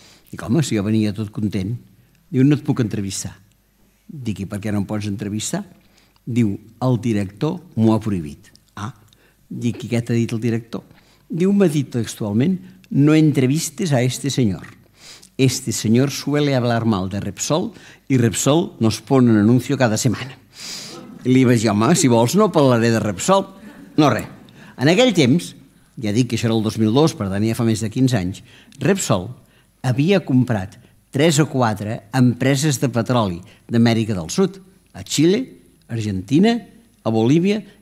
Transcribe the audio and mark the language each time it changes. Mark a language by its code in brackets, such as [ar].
[ca] Dic: home, si jo venia tot content. Diu: no et puc entrevistar. Dic: i per què no em pots entrevistar? Diu: el director m'ho ha prohibit. Ah, dic: i què t'ha dit el director? Diu: m'ha dit textualment, no entrevistes a este senyor. [es] Este señor suele hablar mal de Repsol y Repsol nos pone un anuncio cada semana. [ca] I li vaig dir: home, si vols no parlaré de Repsol. No, res. En aquell temps, ja dic que això era el 2002, per tant ja fa més de 15 anys, Repsol havia comprat 3 o 4 empreses de petroli d'Amèrica del Sud, a Xile, a Argentina, a Bolívia